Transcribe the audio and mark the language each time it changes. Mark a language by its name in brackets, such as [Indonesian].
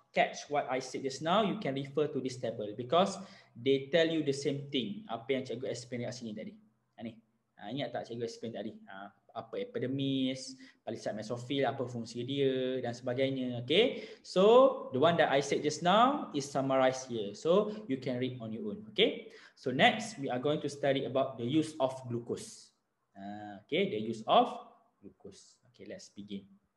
[English] catch what I said just now, you can refer to this table because they tell you the same thing. [Malay] Apa yang cikgu explain kat sini tadi. Ini. Ingat tak cikgu explain tadi? Apa epidermis, palisade mesophyll, apa fungsi dia dan sebagainya. [English] Okay. So, the one that I said just now is summarized here. So, you can read on your own. Okay. So, next, we are going to study about the use of glucose. Okay. The use of glucose. Okay. Let's begin.